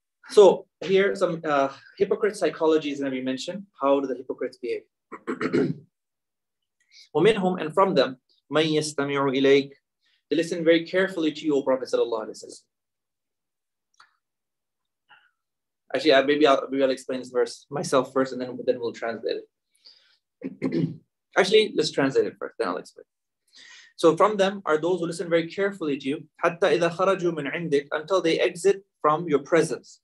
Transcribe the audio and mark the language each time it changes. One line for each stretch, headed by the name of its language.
English: So here some hypocrite psychology is going to be mentioned. How do the hypocrites behave?
Arabic: ومنهم,
English: and from them,
Arabic: من يستمع إليك.
English: They listen very carefully to you, O Prophet sallallahu alayhi wa sallam. Actually, maybe I'll explain this verse myself first, and then we'll translate it. Actually, let's translate it first, then I'll explain. So from them are those who listen very carefully to you,
Arabic: حَتَّى إِذَا خَرَجُوا مِنْ عِنْدِكْ,
English: until they exit from your presence.